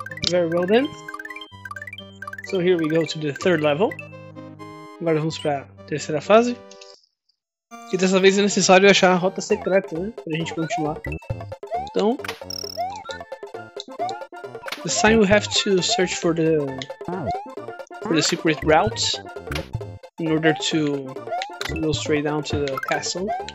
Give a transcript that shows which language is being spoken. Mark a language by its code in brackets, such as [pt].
[en] Very well then. So here we go to the third level. [pt] Agora vamos para a terceira fase. E dessa vez é necessário achar a rota secreta, né, para a gente continuar. [en] Então, this time we have to search for the secret route in order to go straight down to the castle.